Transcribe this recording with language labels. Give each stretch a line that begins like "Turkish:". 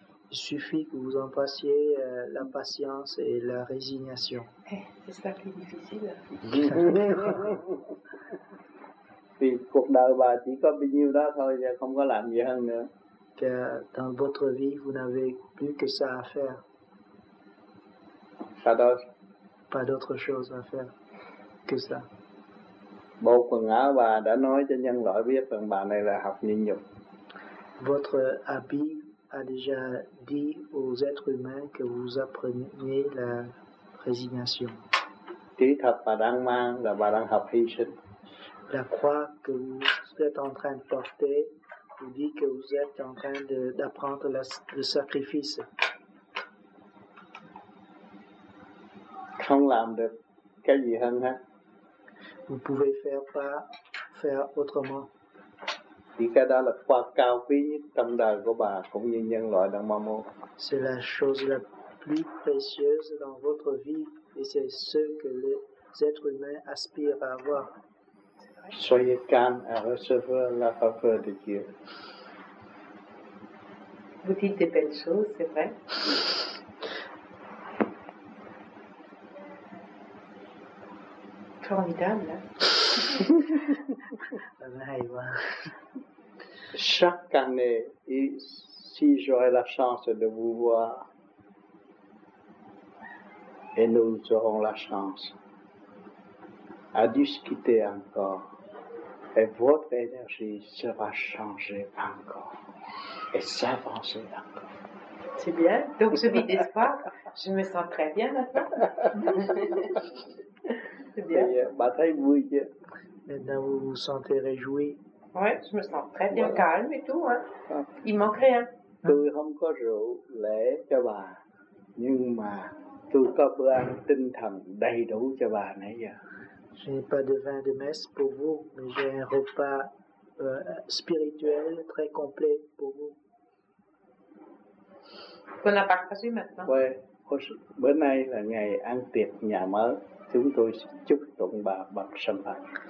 French: suffit que vous embrassiez la patience et la résignation. C'est ça qui est difficile.
Vietnamese: Vì cuộc đời bà chỉ có bao nhiêu đó thôi, và không có làm gì hơn nữa.
French: Que dans votre vie, vous n'avez plus que ça à faire. Pas d'autre. Pas d'autre chose à faire que ça.
Vietnamese: Bộ quần áo bà đã nói cho nhân loại biết rằng bà này là học nhịn nhục.
French: Votre habit a déjà dit aux êtres humains que vous appreniez la résignation.
Vietnamese: Kỹ thuật bà đang mang là bà đang học hy sinh.
French: La croix que vous êtes en train de porter vous dit que vous êtes en train d'apprendre le sacrifice.
Vietnamese: Không làm được cái gì hơn hết.
French: Vous pouvez faire autrement.
Vietnamese: Thì cái đó là quà cao quý nhất trong đời của bà cũng như nhân loại đang mong muốn.
French: C'est la chose la plus précieuse dans votre vie et c'est ce que les êtres humains aspirent à avoir. Soyez calme à recevoir la faveur de Dieu. Vous dites des belles choses, c'est vrai. Formidable. Chaque année, si j'aurai la chance de vous voir, et nous aurons la chance à discuter encore. Et votre énergie sera changée encore et s'avancer encore. C'est bien. Donc je vis d'espoir. Je me sens très bien maintenant. C'est bien. Maintenant vous vous sentez réjoui. Oui, je me sens très bien, voilà. Calme et tout. Hein. Il manque rien.
Vietnamese: Tôi không có rượu lễ cho bà, nhưng mà tôi có bữa ăn tinh thần đầy đủ cho bà nãy giờ.
French: Je n'ai pas de vin de messe pour vous, mais j'ai un repas spirituel très complet pour vous. Qu'on a partagé maintenant. Ouais.
Vietnamese: Bữa nay là ngày ăn tiệc nhà mới, chúng tôi chúc tụng bà bằng champagne.